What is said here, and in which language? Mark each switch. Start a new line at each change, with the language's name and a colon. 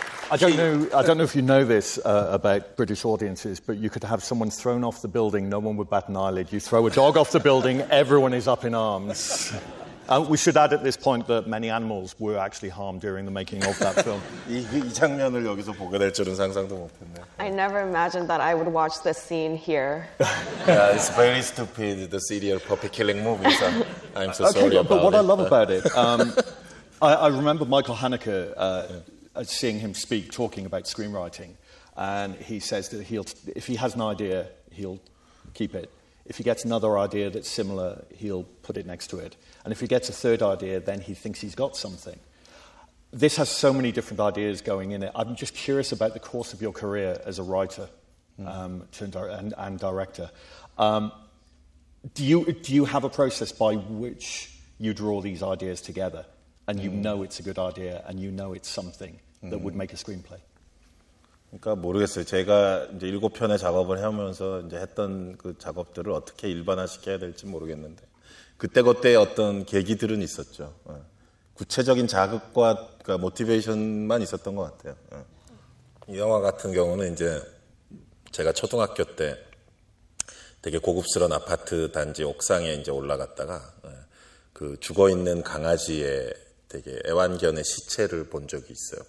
English: I don't know if you know this about British audiences, but you could have someone thrown off the building, no one would bat an eyelid. You throw a dog off the building, everyone is up in arms. We should add at this point that many animals were actually harmed during the making of that film.
Korean: 이 장면을 여기서 보게 될 줄은 상상도 못했네.
English: I never imagined that I would watch this scene here. Yeah, it's very stupid, the serial puppy killing movies. So I'm so okay, sorry about it. But what I love about it, I remember Michael Haneke, seeing him speak, talking about screenwriting, and he says that if he has an idea, he'll keep it. If he gets another idea that's similar, he'll put it next to it. And if he gets a third idea, then he thinks he's got something. This has so many different ideas going in it. I'm just curious about the course of your career as a writer and director. Do you have a process by which you draw these ideas together, and you know it's a good idea, and you know it's something that would make a screenplay?
Korean: 그러니까 모르겠어요. 제가 이제 일곱 편의 작업을 해오면서 이제 했던 그 작업들을 어떻게 일반화시켜야 될지 모르겠는데 그때그때 어떤 계기들은 있었죠. 구체적인 자극과 모티베이션만 있었던 것 같아요. 이 영화 같은 경우는 이제 제가 초등학교 때 되게 고급스러운 아파트 단지 옥상에 이제 올라갔다가 그 죽어 있는 강아지의 되게 애완견의 시체를 본 적이 있어요.